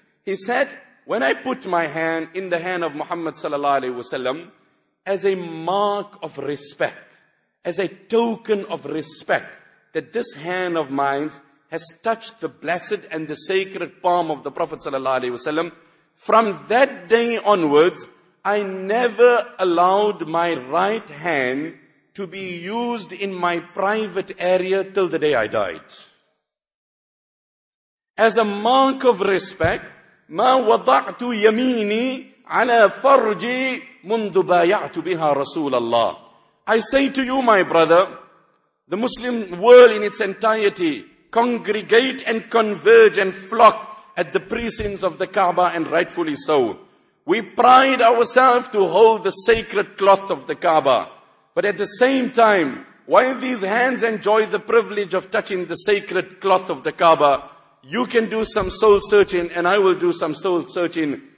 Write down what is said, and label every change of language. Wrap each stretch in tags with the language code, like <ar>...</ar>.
<en>He said, when I put my hand in the hand of Muhammad sallallahu alaihi wasallam as a mark of respect, as a token of respect, that this hand of mine has touched the blessed and the sacred palm of the Prophet sallallahu alaihi wasallam, from that day onwards, I never allowed my right hand to be used in my private area till the day I died. As a mark of respect,</en> <ar>مَا وَضَعْتُ يَمِينِي عَلَى فَرْجِي مُنْدُ بَايَعْتُ بِهَا رَسُولَ اللَّهِ.</ar> <en>I say to you, my brother, the Muslim world in its entirety, congregate and converge and flock at the precincts of the Kaaba, and rightfully so. We pride ourselves to hold the sacred cloth of the Kaaba. But at the same time, while these hands enjoy the privilege of touching the sacred cloth of the Kaaba, you can do some soul searching and I will do some soul searching.</en>